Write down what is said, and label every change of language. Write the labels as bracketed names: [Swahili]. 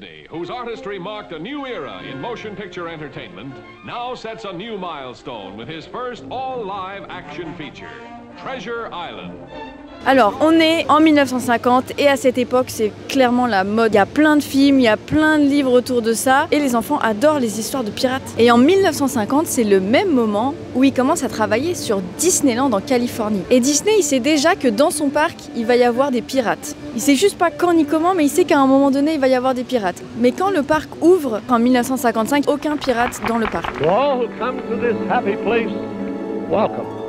[English] Whose artistry marked a new era in motion picture entertainment, now sets a new milestone with his first all-live action feature, Treasure Island. [French] Alors, on est en 1950 et à cette époque, c'est clairement la mode. Il y a plein de films, il y a plein de livres autour de ça et les enfants adorent les histoires de pirates. Et en 1950, c'est le même moment où il commence à travailler sur Disneyland en Californie. Et Disney, il sait déjà que dans son parc, il va y avoir des pirates. Il sait juste pas quand ni comment, mais il sait qu'à un moment donné, il va y avoir des pirates. Mais quand le parc ouvre, en 1955, aucun pirate dans le parc. [English] To all who come to this happy place, welcome.